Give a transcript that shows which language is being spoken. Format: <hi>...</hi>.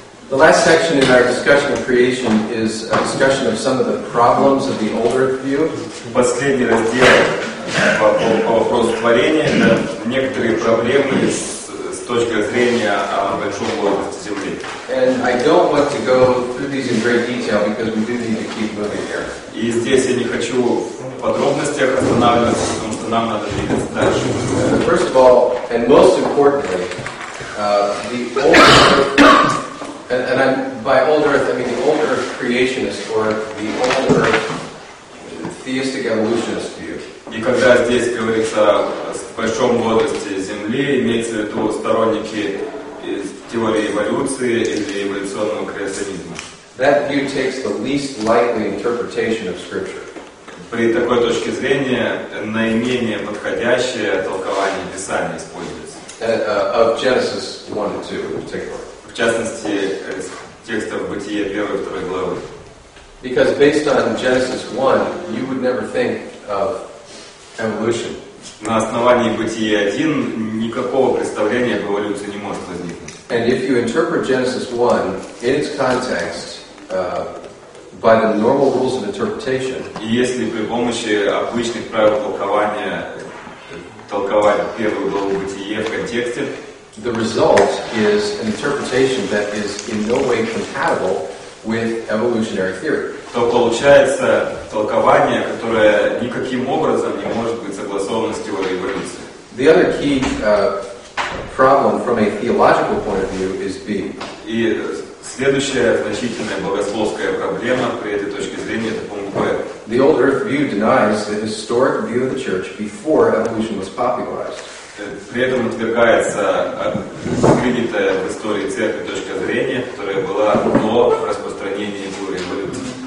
<en>The last section in our discussion of creation is a discussion of some of the problems of the old earth view.</en> <ru>Последний раздел по вопросу творения это некоторые проблемы с точки зрения большого области Земли.</ru> <en>And I don't want to go through these in great detail because we do need to keep moving here.</en> <ru>И здесь я не хочу в подробностях останавливаться, потому что нам надо двигаться дальше.</ru> <en>First of all, and most importantly, the old earth and I'm, by old earth, I mean the old earth creationist or the old earth theistic evolutionist view.</en> <ru>И когда здесь говорится о большом возрасте Земли, имеется в виду сторонники из теории эволюции или эволюционного креационизма.</ru> <en>That view takes the least likely interpretation of Scripture.</en> <ru>При такой точке зрения наименее подходящее толкование Писания используется.</ru> <en>Of Genesis 1 and 2 in particular.</en> <ru>В частности, из текстов Бытия 1 и 2 главы.</ru> <en>Because based on Genesis 1, you would never think of evolution.</en> <ru>На основании Бытия 1 никакого представления об эволюции не может возникнуть.</ru> <en>And if you interpret Genesis 1 in its context, by the normal rules of interpretation,</en> <ru>и если при помощи обычных правил толкования толковать первую главу Бытия в контексте,</ru> <en>the result is an interpretation that is in no way compatible with evolutionary theory.</en> <ru>То получается толкование, которое никаким образом не может быть согласовано с теорией эволюции.</ru> <en>The other key problem from a theological point of view is B.</en> <ru>И следующая значительная богословская проблема при этой точке зрения это пункт Б.</ru> <en>The old earth view denies the historic view of the church before evolution was popularized.</en> <ru>При этом отвергается принятая в истории церкви точка зрения, которая была до распространения теории эволюции.</ru>